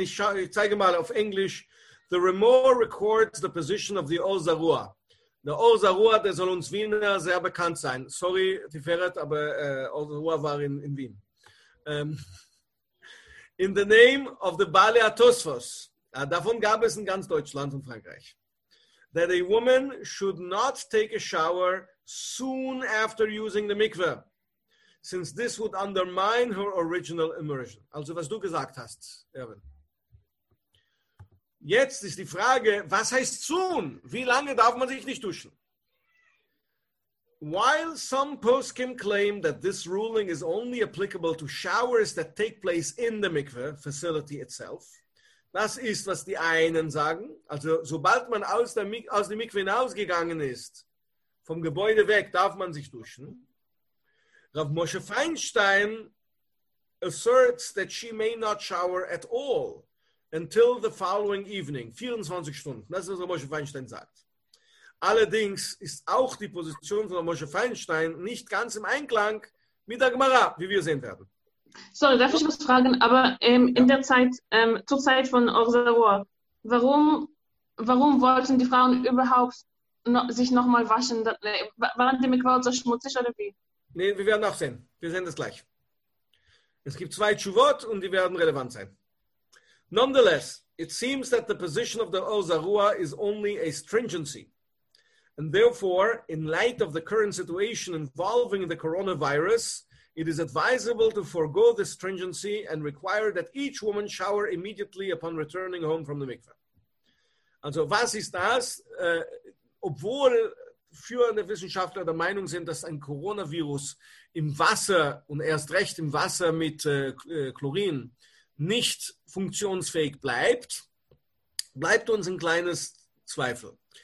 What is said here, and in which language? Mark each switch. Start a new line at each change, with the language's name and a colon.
German: Ich zeige mal auf Englisch.
English: The Remor records the position of the Ozarua.
German: Der Ozarua, der soll uns Wiener sehr bekannt sein. Sorry, Tiferet, aber Ozarua war in Wien.
English: In the name of the
German: Baalei HaTosfos. Davon gab es in ganz Deutschland und Frankreich.
English: That a woman should not take a shower soon after using the mikveh, since this would undermine her original immersion.
German: Also was du gesagt hast, Erwin. Jetzt ist die Frage, was heißt soon? Wie lange darf man sich nicht duschen?
English: While some poskim claim that this ruling is only applicable to showers that take place in the mikveh facility itself,
German: das ist, was die einen sagen. Also sobald man aus dem Mikwe hinausgegangen ist, vom Gebäude weg, darf man sich duschen.
English: Rav Moshe Feinstein asserts that she may not shower at all until the following evening.
German: 24 Stunden, das ist, was Rav Moshe Feinstein sagt. Allerdings ist auch die Position von Rav Moshe Feinstein nicht ganz im Einklang mit der Gemara, wie wir sehen werden. Sorry, darf ich was fragen? Aber in der Zeit, zur Zeit von Ozarua, warum wollten die Frauen überhaupt sich nochmal waschen? Waren die Mikvaot so schmutzig oder wie? Nee, wir werden auch sehen. Wir sehen das gleich. Es gibt zwei Tshuvot und die werden relevant sein.
English: Nonetheless, it seems that the position of the Ozarua is only a stringency. And therefore, in light of the current situation involving the coronavirus, it is advisable to forego this stringency and require that each woman shower immediately upon returning home from the mikveh.
German: Also was ist das? Obwohl führende Wissenschaftler der Meinung sind, dass ein Coronavirus im Wasser und erst recht im Wasser mit Chlorin nicht funktionsfähig bleibt, bleibt uns ein kleines Zweifel.